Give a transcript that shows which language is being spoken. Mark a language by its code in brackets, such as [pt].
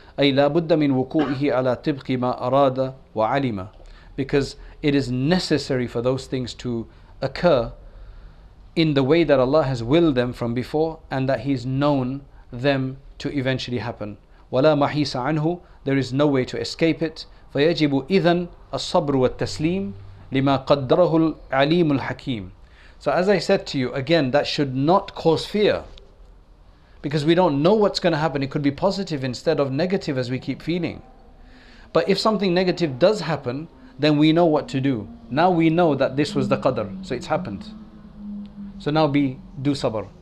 [ar] أي لابد من وقوعه على طبق ما أراد وعلم, [en] because it is necessary for those things to occur in the way that Allah has willed them from before, and that He's known them to eventually happen. [ar] ولا محيص عنه, [en] there is no way to escape it. [ar] فيجب إذن الصبر والتسليم لما قدره العليم الحكيم. [en] So as I said to you, again, that should not cause fear, because we don't know what's going to happen. It could be positive instead of negative, as we keep feeling. But if something negative does happen, then we know what to do. Now we know that this was the qadr, so it's happened. So now do sabr.